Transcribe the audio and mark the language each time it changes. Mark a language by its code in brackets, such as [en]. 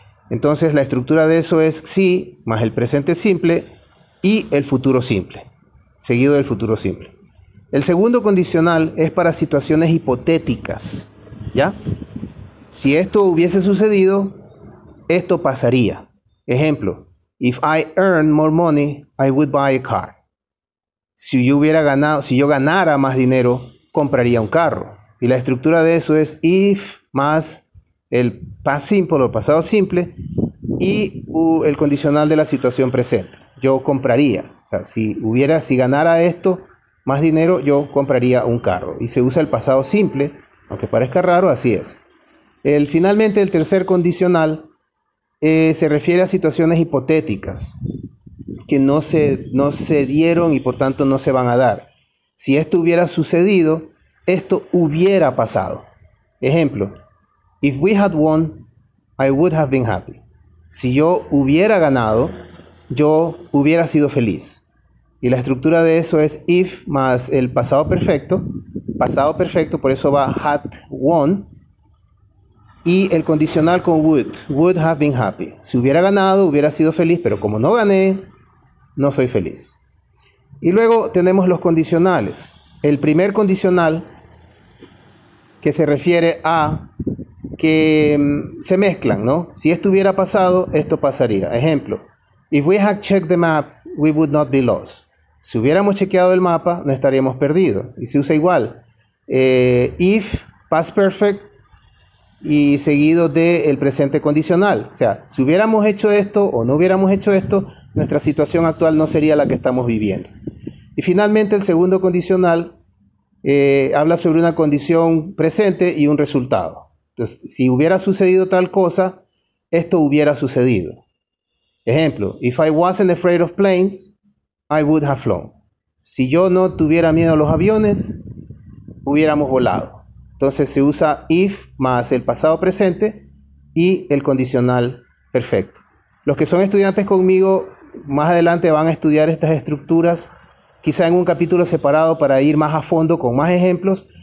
[es] Entonces, la estructura de eso es sí, más el presente simple y el futuro simple, seguido del futuro simple. El segundo condicional es para situaciones hipotéticas, ¿ya? Si esto hubiese sucedido, esto pasaría. Ejemplo, [en] if I earn more money, I would buy a car. [es] Si yo ganara más dinero, compraría un carro. Y la estructura de eso es if más el past simple o pasado simple y el condicional de la situación presente. Yo compraría. O sea, si ganara esto más dinero, yo compraría un carro. Y se usa el pasado simple, aunque parezca raro, así es. Finalmente, el tercer condicional se refiere a situaciones hipotéticas que no se dieron y por tanto no se van a dar. Si esto hubiera sucedido, esto hubiera pasado. Ejemplo, [en] if we had won, I would have been happy. [es] Si yo hubiera ganado, yo hubiera sido feliz. Y la estructura de eso es if más el pasado perfecto, por eso va [en] had won. [es] Y el condicional con [en] would have been happy. [es] Si hubiera ganado, hubiera sido feliz, pero como no gané, no soy feliz. Y luego tenemos los condicionales. El primer condicional que se refiere a que se mezclan, ¿no? Si esto hubiera pasado, esto pasaría. Ejemplo, [en] if we had checked the map, we would not be lost. [es] Si hubiéramos chequeado el mapa, no estaríamos perdidos. Y se usa igual. If, past perfect, y seguido de el presente condicional. O sea, si hubiéramos hecho esto o no hubiéramos hecho esto, nuestra situación actual no sería la que estamos viviendo. Y finalmente, el segundo condicional habla sobre una condición presente y un resultado. Entonces, si hubiera sucedido tal cosa, esto hubiera sucedido. Ejemplo, [en] if I wasn't afraid of planes, I would have flown. [es] Si yo no tuviera miedo a los aviones, hubiéramos volado. Entonces se usa if más el pasado presente y el condicional perfecto. Los que son estudiantes conmigo más adelante van a estudiar estas estructuras, quizá en un capítulo separado para ir más a fondo con más ejemplos.